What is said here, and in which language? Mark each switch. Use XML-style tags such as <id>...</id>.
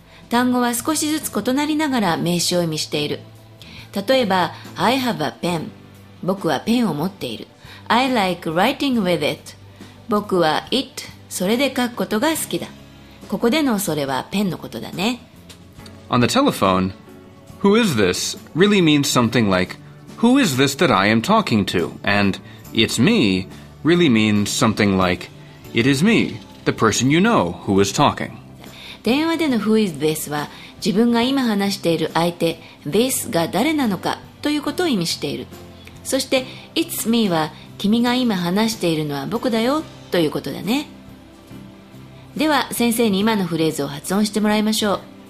<ja>単語は少しずつ異なりながら名詞を意味している。例えば</ja> <en>I have a pen、</en> <ja>僕はペンを持っている。</ja> <en>I like writing with it、</en> <ja>僕は it、 それで書くことが好きだ。ここでのそれはペンのことだね。</ja> <en>On the telephone, who is this really means something likeWho is this that I am talking to? And it's me really means something like It is me, the person you know who is talking.</en> <ja>電話での</ja> <en>Who is this?</en> <ja>は自分が今話している相手 This が誰なのかということを意味している。そして</ja> <en>It's me</en> <ja>は君が今話しているのは僕だよということだね。では先生に今のフレーズを発音してもらいましょう。</ja>